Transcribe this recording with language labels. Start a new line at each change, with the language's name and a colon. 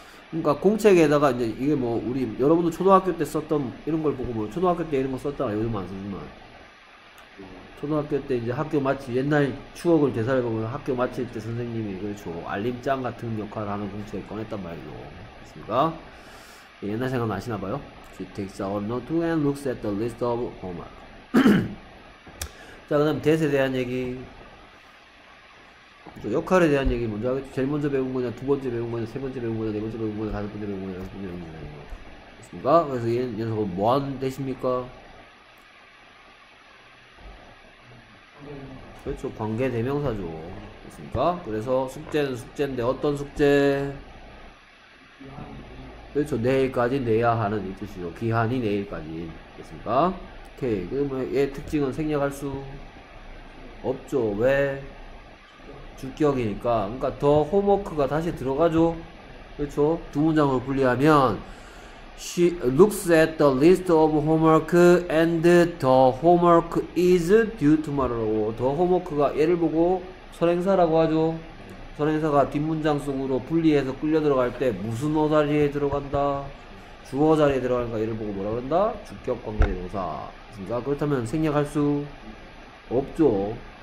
Korean: 그러니까 공책에다가 이제 이게 뭐 우리 여러분도 초등학교 때 썼던 이런 걸 보고 뭐 초등학교 때 이런 거 썼다가 요즘 안 쓰지만 초등학교 때 이제 학교 마치 옛날 추억을 되살펴보면 학교 마칠 때 선생님이 그렇죠. 알림장 같은 역할을 하는 공책을 꺼냈단 말이죠. 그렇습니까? 옛날 생각나시나 봐요.
English: She takes our notebook and looks at the list of homework.
Korean: 자, 그다음 that에 대한 얘기. 역할에 대한 얘기 먼저 하겠죠. 제일 먼저 배운 거냐, 두 번째 배운 거냐, 세 번째 배운 거냐, 네 번째 배운 거냐, 다섯 번째 배운 거냐, 여섯 번째 배운 거냐, 이런 거. 그렇습니까? 그래서 얘 녀석은 뭐한 대십니까? 그렇죠. 관계 대명사죠. 그렇습니까? 그래서 숙제는 숙제인데 어떤 숙제? 그렇죠. 내일까지 내야 하는 이 뜻이죠. 기한이 내일까지. 그렇습니까? 오케이. 그러면 얘 특징은 생략할 수 없죠. 왜? 주격이니까. 그러니까 더 홈워크가 다시 들어가죠. 그렇죠. 두 문장으로 분리하면
English: She looks at the list of homework and the homework is due tomorrow.
Korean: 더 홈워크가 얘를 보고 선행사라고 하죠. 선행사가 뒷문장 속으로 분리해서 끌려 들어갈 때 무슨 어 자리에 들어간다? 주어 자리에 들어간다. 얘를 보고 뭐라 그런다? 주격 관계대명사. 그러니까 그렇다면 생략할 수 없죠.